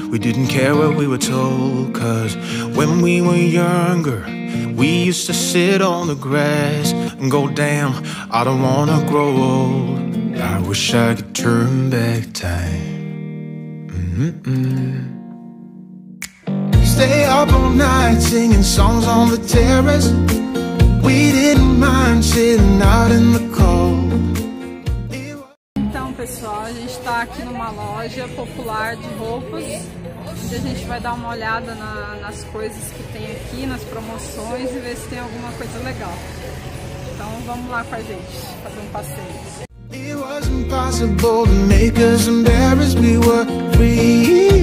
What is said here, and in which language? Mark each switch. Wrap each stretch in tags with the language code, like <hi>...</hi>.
<en>We didn't care what we were told, 'cause when we were younger, we used to sit on the grass and go, damn, I don't wanna grow old. I wish I could turn back time. Stay up all night singing songs on the terrace. We didn't mind sitting out in the cold.</en> <pt>Então, pessoal, a gente está aqui numa loja popular de roupas, onde a gente vai dar uma olhada nas coisas que tem aqui, nas promoções, e ver se tem alguma coisa legal. Então, vamos lá com a gente fazer um passeio.</pt> <en>It was impossible to make us embarrassed. We were free.</en>